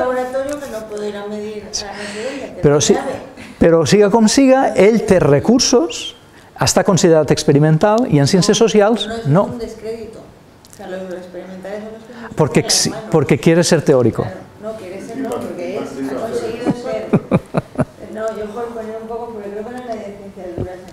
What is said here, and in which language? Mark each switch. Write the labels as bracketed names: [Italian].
[Spanish] Un laboratorio que no podrá medir la residencia, [Catalan] però sí, però siga com siga, ell té recursos, està considerat experimental i en ciències socials no. No és un descrédito. [Spanish] O sea, lo experimental es un descrédito. Porque, porque quiere ser teórico. Claro. No, quiere ser, no, porque es, ha conseguido ser. No, yo por poner un poco, porque creo que no hay ciencia dura.